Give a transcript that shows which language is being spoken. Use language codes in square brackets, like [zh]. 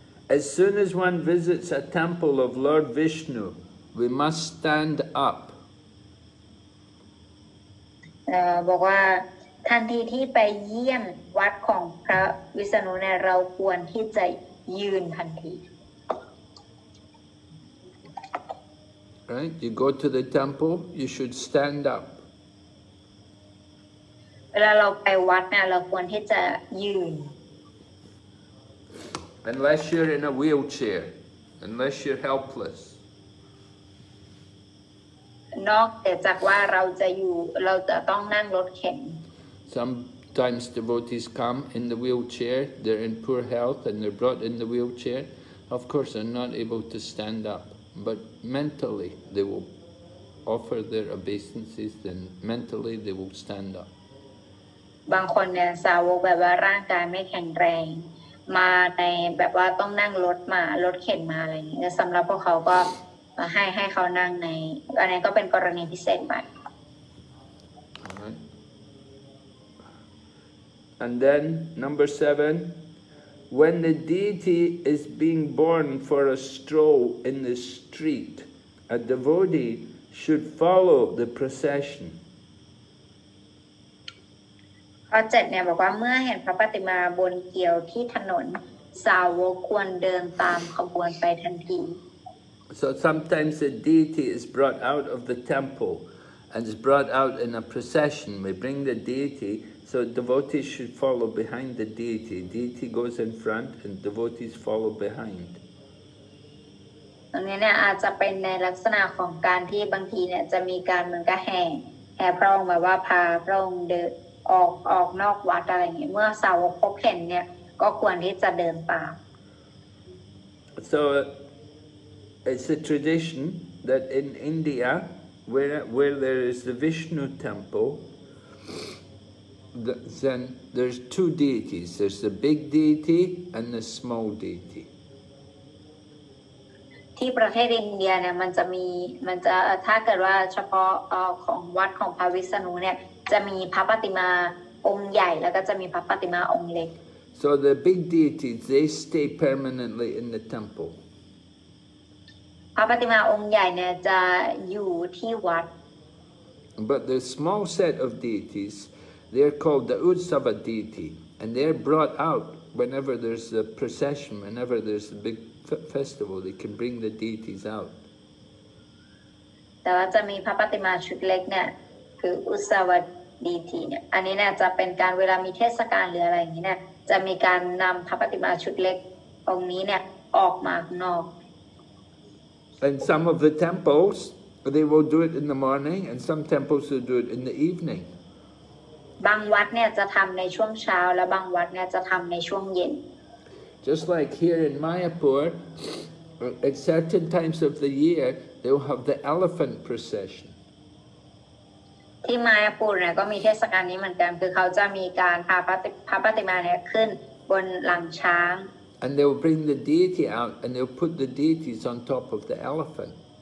[en] As soon as one visits a temple of Lord Vishnu, we must stand up. [th] บอกว่าทันทีที่ไปเยี่ยมวัดของพระวิษณุเนี่ยเราควรที่จะยืนทันที [en] Right you go to the temple you should stand up [th] เวลาเราไปวัดเนี่ยเราควรที่จะยืน [en] Unless you're in a wheelchair unless you're helpless [th] นอกจากว่าเราจะอยู่เราจะต้องนั่งรถเข็น [en] Sometimes devotees come in the wheelchair they're in poor health and they're brought in the wheelchair of course they're not able to stand up but mentally they will offer their obeisances then mentally they will stand up [th] บางคนเนี่ยสาวกแบบว่าร่างกายไม่แข็งแรงมาในแบบว่าต้องนั่งรถมารถเข็นมาอะไรอย่างเงี้ยสําหรับพวกเขาก็ให้เขานั่งในอันนี้ก็เป็นกรณีพิเศษไป [en] And then number seven, when the deity is being born for a stroll in the street, a devotee should follow the procession. [th] ข้อเจ็ดเนี่ยบอกว่าเมื่อเห็นพระปฏิมาบนเกี่ยวที่ถนนสาวกควรเดินตามขบวนไปทันที [en] So sometimes a deity is brought out of the temple and is brought out in a procession. We bring the deity, so devotees should follow behind the deity. Deity goes in front and devotees follow behind. [th] ตรงนี้เนี่ยอาจจะเป็นในลักษณะของการที่บางทีเนี่ยจะมีการเหมือนกับแห่พระองค์แบบว่าพาพระองค์เดินออกนอกวัดอะไรอย่างเงี้ยเมื่อสาวกพบเห็นเนี่ยก็ควรที่จะเดินตาม [en] So,It's a tradition that in India, where there is the Vishnu temple, then there's two deities. There's the big deity and the small deity. [th] ที่ประเทศอินเดียเนี่ยมันจะถ้าเกิดว่าเฉพาะของวัดของพระวิษณุเนี่ยจะมีพระปฏิมาองค์ใหญ่แล้วก็จะมีพระปฏิมาองค์เล็ก [en] So the big deities they stay permanently in the temple. [th] พระปฏิมาองค์ใหญ่เนี่ยจะอยู่ที่วัด [en] But the small set of deities, they're called the Utsava deity, and they're brought out whenever there's a procession, whenever there's a big festival, they can bring the deities out. [th] แต่ว่าจะมีพระปฏิมาชุดเล็กเนี่ยคืออุตสวดีทีเนี่ยอันนี้เนี่ยจะเป็นการเวลามีเทศกาลหรืออะไรอย่างนี้เนี่ยจะมีการนำพระปฏิมาชุดเล็กองค์นี้เนี่ยออกมาข้างนอก [en] And some of the temples, they will do it in the morning, and some temples will do it in the evening. [th] บางวัดเนี่ยจะทำในช่วงเช้าและบางวัดเนี่ยจะทำในช่วงเย็น [en] Just like here in Mayapur, at certain times of the year, they will have the elephant procession. [th] ที่มายาปูร์เนี่ยก็มีเทศกาลนี้เหมือนกันคือเขาจะมีการพาพระปฏิมาเนี่ยขึ้นบนหลังช้าง [en] And they will bring the deity out, and they will put the deities on top of the elephant.